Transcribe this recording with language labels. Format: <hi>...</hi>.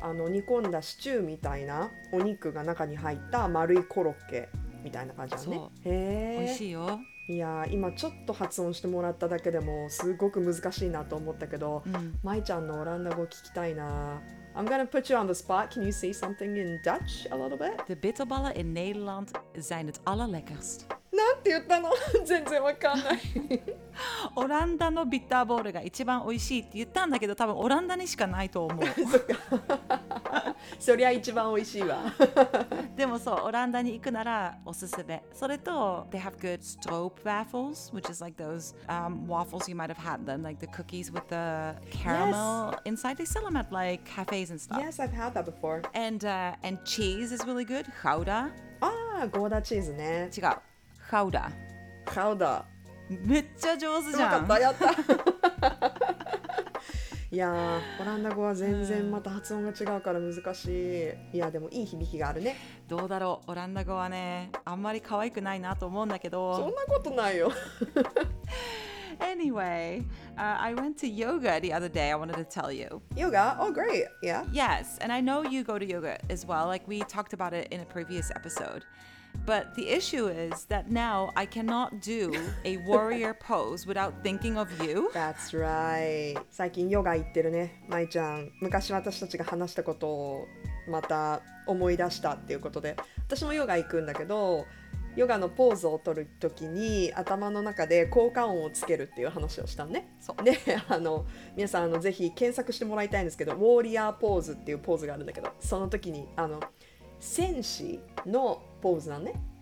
<ja>あの煮込んだシチューみたいなお肉が中に入った丸いコロッケみたいな感じだね。そう。へー。美味しいよ。いや今ちょっと発音してもらっただけでもすごく難しいなと思ったけど、まいちゃんのオランダ語聞きたいな。</ja> <en>I'm gonna put you on the spot. Can you say something in Dutch a little bit?</en> <nl>De bitterballen in Nederland zijn het allerlekkerst.</nl> <ja>なんて言ったの？全然わかんない。オランダのビターボールが一番美味しいって言ったんだけど、多分オランダにしかないと思う。そりゃ一番美味しいわ。でもそう、オランダに行くならおすすめ。それと、</ja> <en>they have good stroop waffles, which is like those、waffles you might have had them, like the cookies with the caramel、 yes. inside. They sell them at like cafes and stuff. Yes, I've had that before. And cheese is really good. Gouda. Ah, Gouda cheese ね。</en> <ja>違う。ハウダハウダめっちゃ上手じゃん。よかったやったいやオランダ語は全然また発音が違うから難しい。いやでもいい響きがあるね。どうだろう、オランダ語はねあんまり可愛くないなと思うんだけど。そんなことないよ</ja> <en>Anyway, I went to yoga the other day. I wanted to tell you. Yoga? Oh, great. Yeah. Yes. And I know you go to yoga as well. Like we talked about it in a previous episode. But the issue is that now I cannot do a warrior pose without thinking of you. That's right.</en> <ja>最近ヨガ行ってるね、まいちゃん。昔私たちが話したことをまた思い出したっていうことで。私もヨガ行くんだけど、ヨガのポーズを取るときに頭の中で効果音をつけるっていう話をしたね。そうで、あの皆さんぜひ検索してもらいたいんですけど、ウォーリアーポーズっていうポーズがあるんだけど、その時にあの戦士のポーズなんね。</ja>